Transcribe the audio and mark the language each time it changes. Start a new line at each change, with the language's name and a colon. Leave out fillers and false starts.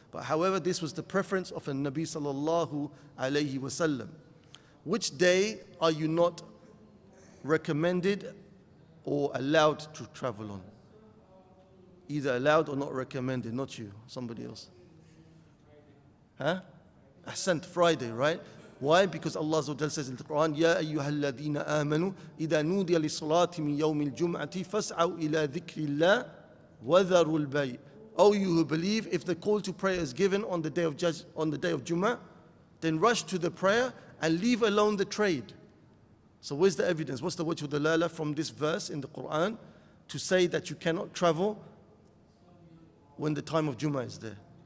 English: But however, this was the preference of a Nabi sallallahu alayhi wa sallam. Which day are you not recommended or allowed to travel on? Either allowed or not recommended, not you, somebody else. Huh? Ahsant, Friday, right? Why? Because Allah says in the Quran,
Arabic: يَا أَيُّهَا الَّذِينَ آمَنُوا إِذَا نُودِيَ لِصُلَاةِ مِنْ يَوْمِ الْجُمْعَةِ فَاسْعَوْا إِلَىٰ ذِكْرِ اللَّهِ وَذَرُوا الْبَيْءِ.
English: O you who believe, if the call to prayer is given on the day of Jum'ah, then rush to the prayer and leave alone the trade. So where's the evidence? What's the wajh of dalala from this verse in the Quran to say that you cannot travel when the time of Jum'ah is there?